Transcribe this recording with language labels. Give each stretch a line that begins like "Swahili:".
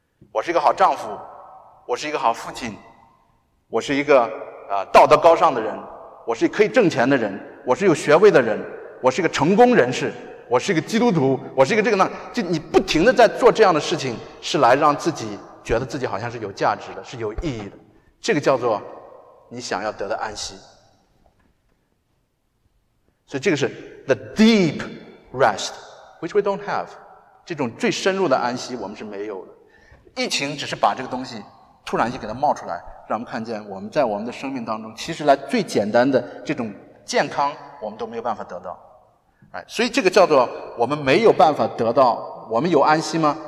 Chinese: 我是一个好丈夫，我是一个好父亲，我是一个道德高尚的人，我是可以挣钱的人，我是有学位的人，我是一个成功人士，我是一个基督徒，我是一个这个那，就你不停的在做这样的事情，是来让自己觉得自己好像是有价值的，是有意义的。这个叫做你想要得的安息。
English: 所以这个是 the deep rest, which we don't have.
Chinese: 这种最深入的安息我们是没有的。疫情只是把这个东西突然就给它冒出来，让我们看见我们在我们的生命当中，其实来最简单的这种健康我们都没有办法得到。所以这个叫做我们没有办法得到，我们有安息吗？